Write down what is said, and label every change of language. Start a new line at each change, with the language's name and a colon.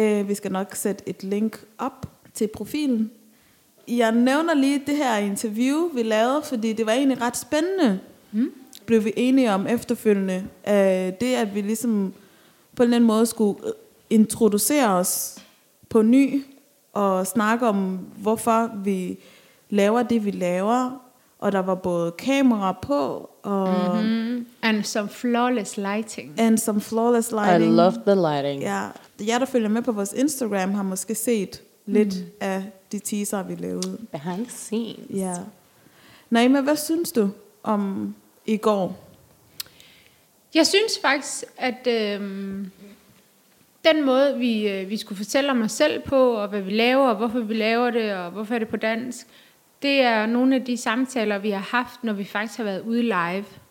Danish: Vi skal nok sætte et link op til profilen. Jeg nævner lige det her interview, vi lavede, fordi det var egentlig ret spændende, blev vi enige om efterfølgende. Det, at vi ligesom på en eller anden måde skulle introducere os på ny og snakke om, hvorfor vi laver det, vi laver. Og der var både kamera på og
English: and some flawless lighting. And some flawless lighting. I love the lighting.
Danish: Ja. Jeg, der følger med på vores Instagram, har måske set lidt af de teaser, vi lavede.
English: Behind the scenes.
Danish: Ja. Naima, hvad synes du om i går? Jeg synes faktisk, at den måde, vi skulle fortælle om os selv på, og hvad vi laver, og hvorfor vi laver det, og hvorfor er det på dansk, det er nogle af de samtaler, vi har haft, når vi faktisk har været ude live.